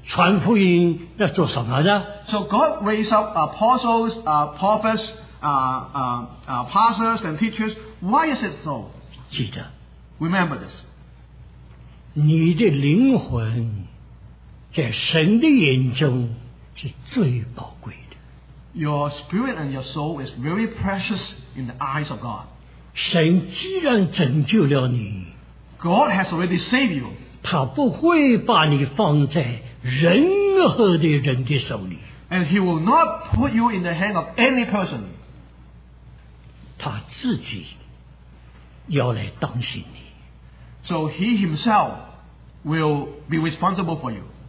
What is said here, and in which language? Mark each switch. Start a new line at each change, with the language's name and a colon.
Chinese: 神兴起使徒、先知、教师、牧师、传福音，要做什么呢？
English: So God raised up apostles, prophets, pastors and teachers, why is it so?
Chinese: 记得,
English: remember this.
Chinese: 你的灵魂在神的眼中是最宝贵的。
English: Your spirit and your soul is very precious in the eyes of God.
Chinese: 神既然拯救了你,
English: God has already saved you.
Chinese: 祂不会把你放在任何的人的手里。
English: And he will not put you in the hand of any person.
Chinese: 他自己要来当心你。
English: So he himself will be responsible for you.